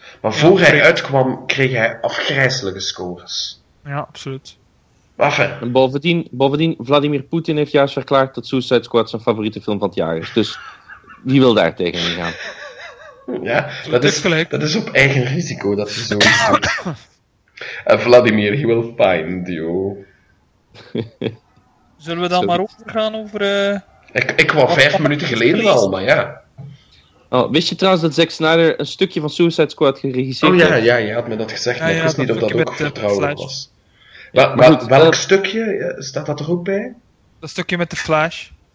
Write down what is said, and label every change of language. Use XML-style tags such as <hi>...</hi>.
<nl>Maar voor hij uitkwam, kreeg hij afgrijzelijke scores. Ja, absoluut. En bovendien, Vladimir Poetin heeft juist verklaard dat Suicide Squad zijn favoriete film van het jaar is. Dus wie wil daar tegen gaan? Ja, dat is op eigen risico dat ze zo gaan.</nl> <en>En Vladimir, he will find you.</en> <nl>Zullen we dan maar overgaan over... Ik wou 5 minuten geleden al, maar ja. Oh, wist je trouwens dat Zack Snyder een stukje van Suicide Squad geregisseerd heeft? Oh ja, je had me dat gezegd, maar ik wist niet of dat ook vertrouwelijk was. Welk stukje? Staat dat er ook bij? Dat stukje met de Flash.</nl>